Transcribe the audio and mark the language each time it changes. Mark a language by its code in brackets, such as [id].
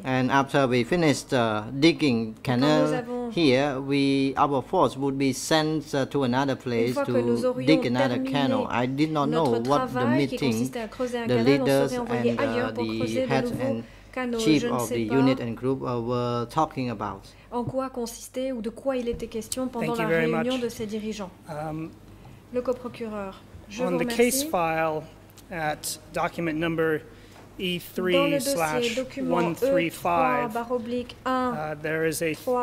[en] And after we finished digging canal here, our force would be sent to another place to dig another canal. I did not know what the meeting, the leaders and the heads and chief of the unit and group were talking about. [fr] En quoi consistait ou de quoi il était question pendant la réunion de ces dirigeants. Le coprocureur, je vous remercie. [en] On the case file at document number E3/135, there is a